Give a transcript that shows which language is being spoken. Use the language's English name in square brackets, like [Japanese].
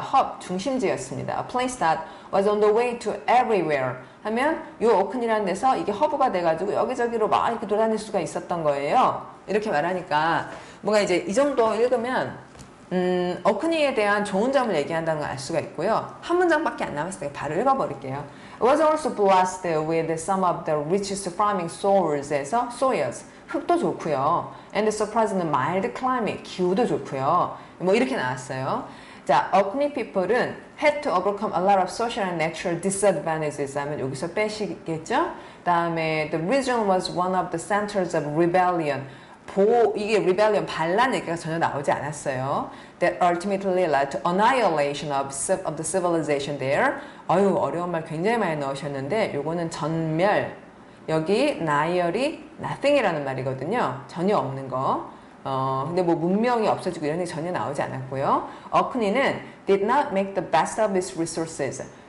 [Korean] 허브 중심지였습니다. [English] A place that was on the way to everywhere [Korean] 하면 요 어크니라는 데서 이게 허브가 돼가지고 여기저기로 막 이렇게 돌아다닐 수가 있었던 거예요. 이렇게 말하니까 뭔가 이제 이 정도 읽으면 어크니에 대한 좋은 점을 얘기한다는 걸알 수가 있고요. 한 문장밖에 안 남았으니까 바로 읽어버릴게요. [English] It was also blessed with some of the richest farming soils에서 soils [Korean] 흙도 좋고요. [English] And the surprise [Korean] 는 mild climate 기후도 좋고요. 뭐 이렇게 나왔어요. [English] 자, Orkney people은 had to overcome a lot of social and natural disadvantages [Korean] 하면 여기서 빼시겠죠? 다음에 [English] the region was one of the centers of rebellion. [Korean] 이게 rebellion 반란 얘기가 전혀 나오지 않았어요. [English] That ultimately led to annihilation of the civilization there. [Korean] 어휴, 어려운 말 굉장히 많이 넣으셨는데, 요거는 전멸. 여기 나열이 nothing이라는 말이거든요. 전혀 없는 거. 근데 뭐 문명이 없어지고 이런 게 전혀 나오지 않았고요. [English] 어크니는 did not make the best of its resources.